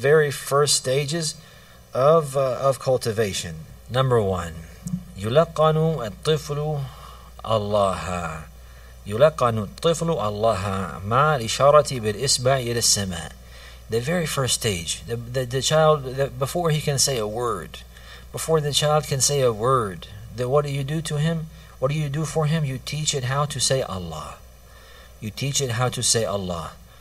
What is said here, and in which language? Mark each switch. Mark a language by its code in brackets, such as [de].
[en] For example, in the very first stages of cultivation. Number one, [ar] يُلَقَّنُ الطِّفْلُ اللَّهَ. يُلَقَّنُ الطِّفْلُ اللَّهَ مَعَ الْإِشَارَةِ بِالْإِصْبَعِ إِلَى السَّمَاءِ. [en] The very first stage, the child, before he can say a word, before the child can say a word, then what do you do to him? What do you do for him? You teach it how to say Allah. You teach it how to say Allah.